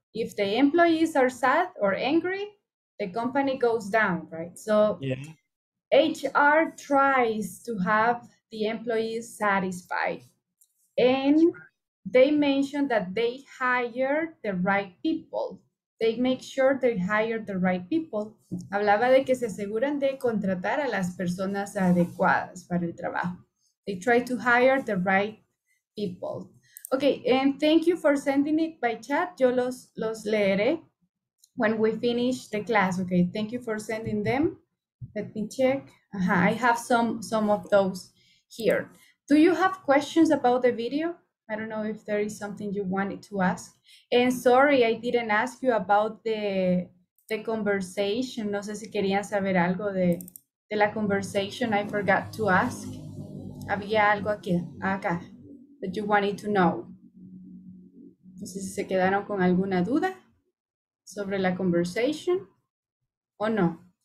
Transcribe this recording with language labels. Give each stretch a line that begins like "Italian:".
English: If the employees are sad or angry, the company goes down, right? So yeah. HR tries to have the employees satisfied. And they mentioned that they hire the right people. They make sure they hire the right people.
Spanish: Hablaba de que se aseguran de contratar a las personas adecuadas para el trabajo.
English: They try to hire the right people. Okay, and thank you for sending it by chat. Yo los leeré when we finish the class. Okay, thank you for sending them. Let me check. I have some of those here. Do you have questions about the video? I don't know if there is something you wanted to ask. And sorry, I didn't ask you about the conversation.
Spanish: No sé si querían saber algo de la conversation.
English: I forgot to ask. Había algo aquí, acá, that you wanted to know.
Spanish: No sé si se quedaron con alguna duda sobre la conversation o no.